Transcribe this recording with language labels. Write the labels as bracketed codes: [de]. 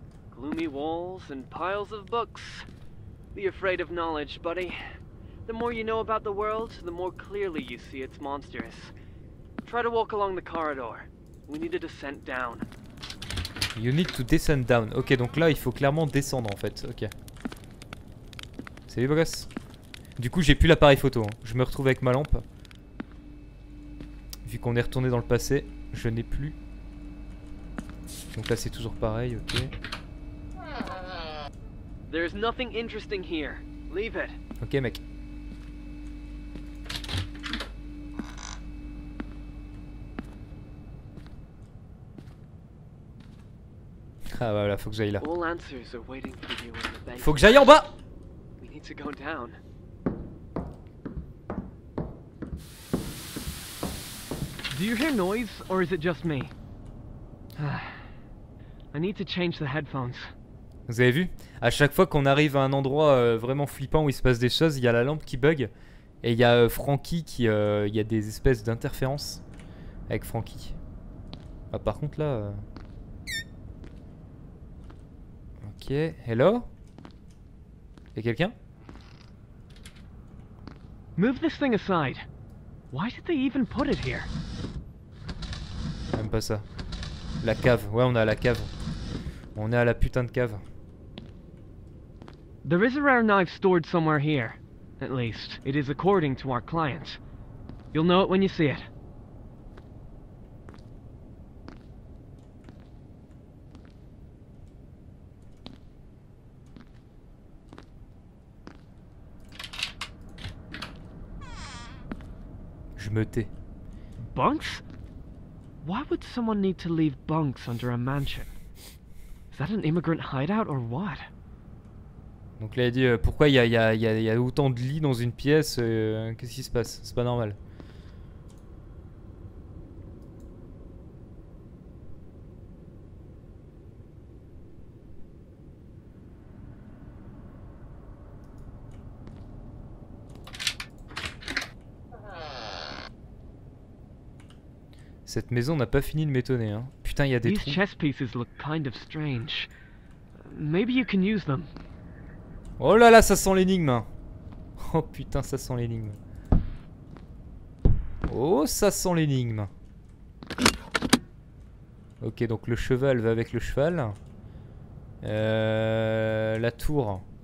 [en] Gloomy walls and piles of books. Be afraid of knowledge, buddy. The more you know about the world, the more clearly you see it's monstrous. Try to walk along the corridor. We need to descend down. You need to descend down. [fr] Ok, donc là, il faut clairement descendre, en fait. Ok. Salut, beau gosse. Du coup, j'ai plus l'appareil photo. Hein. Je me retrouve avec ma lampe. Vu qu'on est retourné dans le passé, je n'ai plus... Donc là c'est toujours pareil, ok. [en] There's nothing interesting here. Leave it. [fr] Ok mec. Ah voilà, faut que j'aille là. [en] All answers are waiting for you in the bank. [fr] Faut que j'aille en bas. [en] We need to go down. Do you hear noise or is it just me? I need to change the headphones. [fr] Vous avez vu? À chaque fois qu'on arrive à un endroit vraiment flippant où il se passe des choses, il y a la lampe qui bug. Et il y a Franky qui... Il y a des espèces d'interférences avec Franky. Ah, par contre là... Ok, hello? Y'a quelqu'un? [en] Move this thing aside. Why did they even put it here? [fr] J'aime pas ça. La cave, ouais, on est à la cave. On est à la putain de cave. [en] There is a rare knife stored somewhere here. At least, it is according to our client. You'll know it when you see it. [fr] Je me tais. [en] Bunks? Why would someone need to leave bunks under a mansion? Is that an immigrant hideout or what? [fr] Donc là, il dit pourquoi il y a autant de lits dans une pièce, qu'est-ce qui se passe? C'est pas normal. Cette maison n'a pas fini de m'étonner, hein. Putain, il y a des trous. [en] These chess pieces look kind of strange. Maybe you can use them. [fr] Oh là là, ça sent l'énigme. Oh putain, ça sent l'énigme. Oh, ça sent l'énigme. Ok, donc le cheval va avec le cheval. La tour.